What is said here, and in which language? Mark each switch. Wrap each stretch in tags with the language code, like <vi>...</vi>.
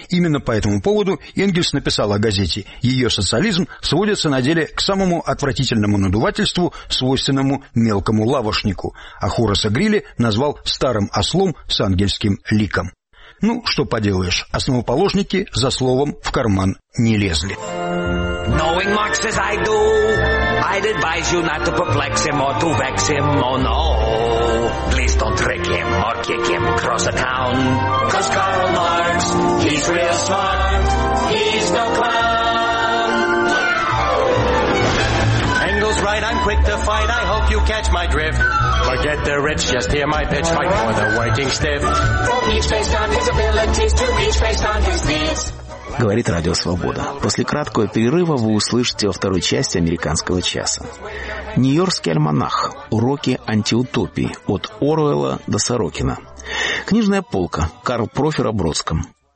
<ru>Именно по этому поводу Энгельс написал о газете: «Ее социализм сводится на деле к самому отвратительному надувательству, свойственному мелкому лавошнику», а Хораса Грилли назвал «старым ослом с ангельским ликом». Ну, что поделаешь, основоположники за словом в карман не лезли.</ru> <en>Knowing Marx as I do, I'd advise you not to perplex him or to vex him, oh no. Please don't trick him or kick him across the town. Cause Karl Marx, he's real smart, he's no clown. Right, I'm quick to fight, I hope you catch my drift. Forget the rich, just hear my pitch, fight for the working stiff. From each based on his abilities, to each based on his needs.</en> <ru>Говорит Радио Свобода. После краткого перерыва вы услышите во второй части «Американского часа». Нью-Йоркский альманах. Уроки антиутопии. От Оруэлла до Сорокина. Книжная полка. Карл Профер о Бродском.</ru>